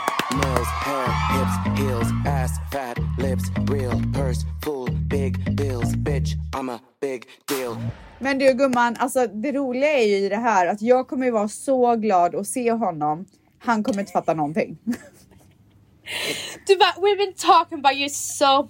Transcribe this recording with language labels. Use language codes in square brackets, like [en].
[en] Nose, hair, hips, heels, ass, fat, lips, real, purse, full, big, bills, bitch, I'm a big deal. [sv] Men du gumman, alltså det roliga är ju i det här att jag kommer ju vara så glad att se honom. Han kommer inte fatta någonting. Du bara, [en] we've been talking about you so much.